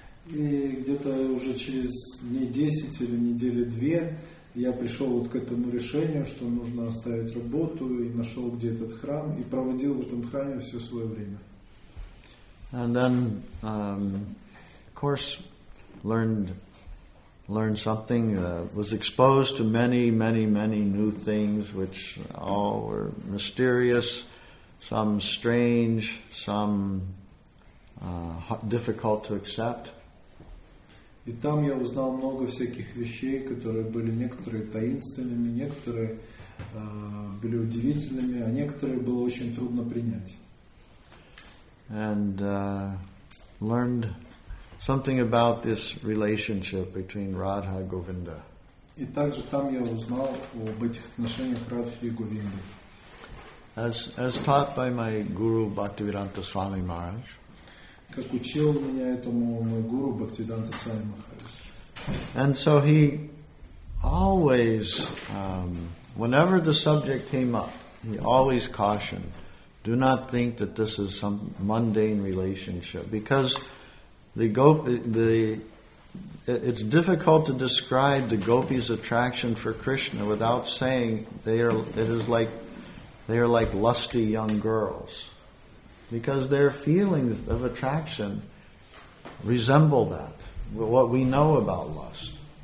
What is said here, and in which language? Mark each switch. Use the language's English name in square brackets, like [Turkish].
[Russian] И где-то уже через дней 10 или недели 2 я пришел вот к этому решению, что нужно оставить работу, и нашел где этот храм и проводил в этом храме все свое время. [English] And then, of course, learned something, was exposed to many, many, many new things, which all were mysterious, some strange, some difficult to accept. [Russian] И там я узнал много всяких вещей, которые были некоторые таинственными, некоторые были удивительными, а некоторые было очень трудно принять. [English] And learned something about this relationship between Radha and Govinda. [Russian] И также там я узнал об этих отношениях Радхи и Говинды. [English] As taught by my guru Bhaktivedanta Swami Maharaj. [Russian] Как учил меня этому мой гуру Бхактивиданта Свами Махарадж. [English] And so he always, whenever the subject came up, he always cautioned, do not think that this is some mundane relationship, because it's difficult to describe the gopi's attraction for Krishna without saying they are like lusty young girls, because their feelings of attraction resemble that, what we know about lust.